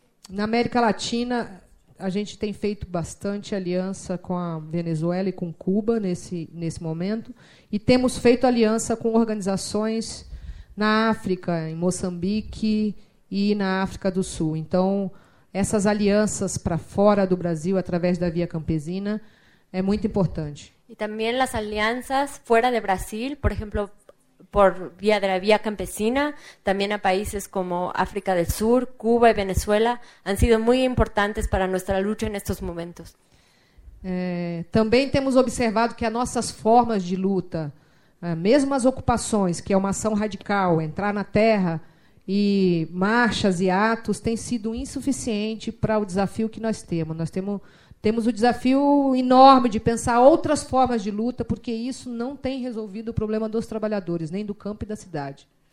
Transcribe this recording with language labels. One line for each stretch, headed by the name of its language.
Portuguese: Na América Latina, a gente tem feito bastante aliança com a Venezuela e com Cuba nesse momento. E temos feito aliança com organizações na África, em Moçambique e na África do Sul. Então, essas alianças para fora do Brasil, através da Via Campesina, é muito importante.
Spanish: E também as alianças fora do Brasil, por exemplo, por vía de la vía campesina, también a países como África del Sur, Cuba y Venezuela, han sido muy importantes para nuestra lucha en estos momentos. También hemos observado que nuestras formas de lucha,
Portuguese: mesmo as ocupações, que é uma ação radical, entrar na terra, e marchas e atos, têm sido insuficiente para o desafio que nós temos. Nós temos o desafio enorme de pensar outras formas de luta, porque isso não tem resolvido o problema dos trabalhadores, nem do campo e da cidade.